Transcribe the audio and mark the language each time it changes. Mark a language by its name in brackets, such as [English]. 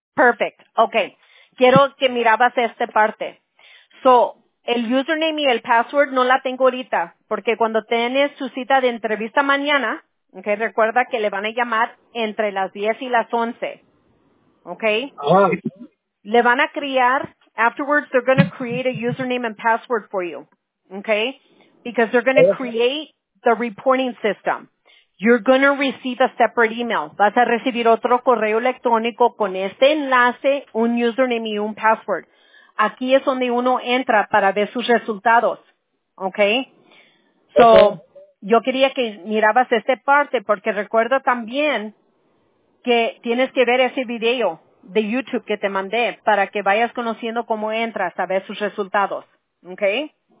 [English] Perfect. [Spanish] Okay. Quiero que mirabas esta parte. So, el username y el password no la tengo ahorita, porque cuando tienes su cita de entrevista mañana, okay, recuerda que le van a llamar entre las 10 y las 11. [English] Okay? [Spanish] Le van a crear, [English] afterwards they're going to create a username and password for you. Okay? Because they're going to create the reporting system. You're going to receive a separate email. [Spanish] Vas a recibir otro correo electrónico con este enlace, un username y un password. Aquí es donde uno entra para ver sus resultados. Okay? So, yo quería que mirabas esta parte porque recuerda también que tienes que ver ese video de YouTube que te mandé para que vayas conociendo cómo entras a ver sus resultados. Okay?